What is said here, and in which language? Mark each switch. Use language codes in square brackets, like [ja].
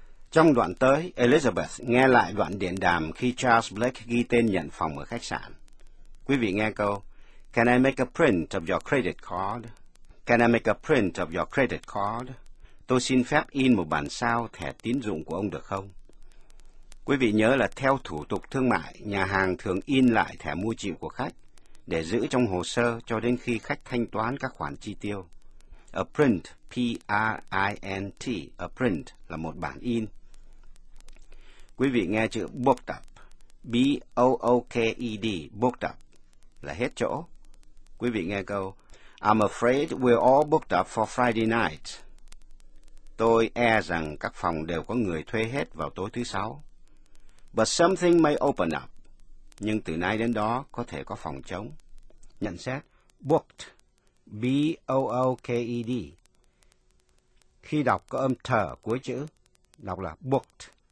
[vi] Trong đoạn tới, Elizabeth nghe lại đoạn điện đàm khi Charles Blake ghi tên nhận phòng ở khách sạn. Quý vị nghe câu, [en] Can I make a print of your credit card? Can I make a print of your credit card? [vi] Tôi xin phép in một bản sao thẻ tín dụng của ông được không? Quý vị nhớ là theo thủ tục thương mại, nhà hàng thường in lại thẻ mua chịu của khách để giữ trong hồ sơ cho đến khi khách thanh toán các khoản chi tiêu. A print, P-R-I-N-T, a print là một bản in. Quý vị nghe chữ booked up, B-O-O-K-E-D, booked up, là hết chỗ. Quý vị nghe câu, [en] I'm afraid we're all booked up for Friday night. [vi] Tôi e rằng các phòng đều có người thuê hết vào tối thứ sáu. [en] But something may open up. [vi] Nhưng từ nay đến đó có thể có phòng trống. Nhận xét, booked. B-O-O-K-E-D. Khi đọc có âm thở cuối chữ, đọc là booked.